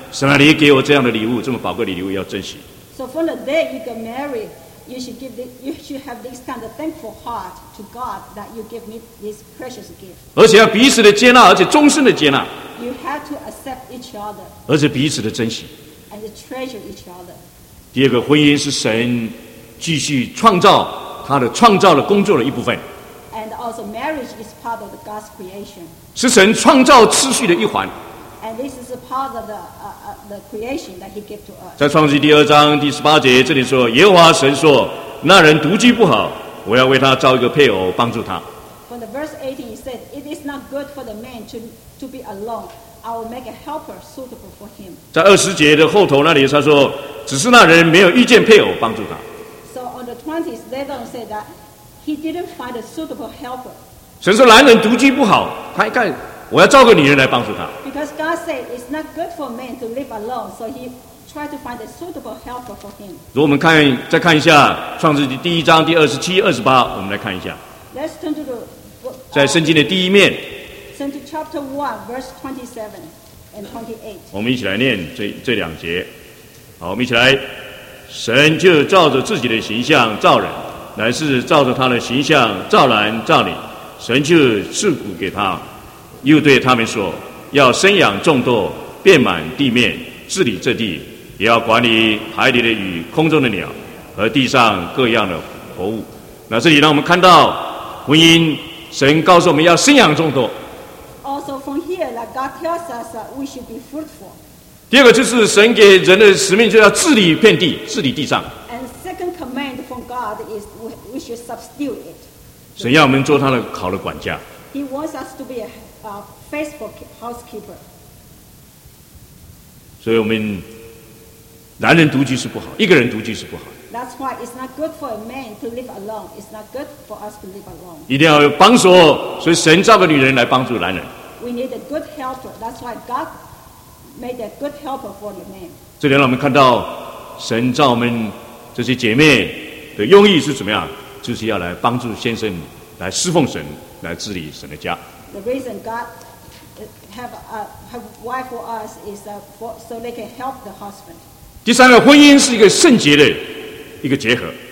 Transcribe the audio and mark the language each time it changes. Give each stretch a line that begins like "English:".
Chinese: 神啊，你给我这样的礼物，这么宝贵的礼物，要珍惜。
English: So from the day you get married, you should give this, you should have this kind of thankful heart to God that you give me this precious gift.
Chinese: 而且要彼此的接纳，而且终身的接纳。
English: You have to accept each other.
Chinese: 而且彼此的珍惜。
English: And treasure each other.
Chinese: 第二个，婚姻是神继续创造他的创造的工作的一部分。
English: And also, marriage is part of God's creation.
Chinese: 是神创造秩序的一环。
English: And this is a part of the creation that he gave to us.
Chinese: 在创世第二章第十八节，这里说，耶和华神说，那人独居不好，我要为他造一个配偶帮助他。
English: From the verse 18, he said, "It is not good for the man to be alone. I will make a helper suitable for him."
Chinese: 在二十节的后头那里，他说，只是那人没有遇见配偶帮助他。
English: So on the 20s, they don't say that he didn't find a suitable helper.
Chinese: 神说，男人独居不好，他应该。我要找个女人来帮助他。
English: Because God said it's not good for men to live alone, so He tried to find a suitable helper for him.
Chinese: 如果我们看再看一下《创世纪》第一章第二十七、二十八，我们来看一下。
English: Let's turn to the
Chinese: 在圣经的第一面。
English: Turn to chapter one, verse 27 and 28.
Chinese: 我们一起来念这两节。好，我们一起来。神就照着自己的形象造人，乃是照着他的形象造男造女，神就赐福给他。又对他们说，要生养众多，遍满地面，治理这地，也要管理海里的鱼、空中的鸟和地上各样的活物。那这里让我们看到婚姻，神告诉我们要生养众多。
English: Also from here, like God tells us that we should be fruitful.
Chinese: 第二个就是神给人的使命，就要治理遍地，治理地上。
English: And second command from God is we should subdue it.
Chinese: 神要我们做他的好的管家。
English: He wants us to be faithful housekeeper.
Chinese: 所以我们男人独居是不好，一个人独居是不好。
English: That's why it's not good for a man to live alone. It's not good for us to live alone.
Chinese: 一定要有帮助，所以神造个女人来帮助男人。
English: We need a good helper. That's why God made a good helper for the man.
Chinese: 这里让我们看到神造我们这些姐妹的用意是怎么样，就是要来帮助先生来侍奉神，来治理神的家。
English: The reason God have a wife for us is so they can help the husband.
Chinese: 第三个，婚姻是一个圣洁的一个结合。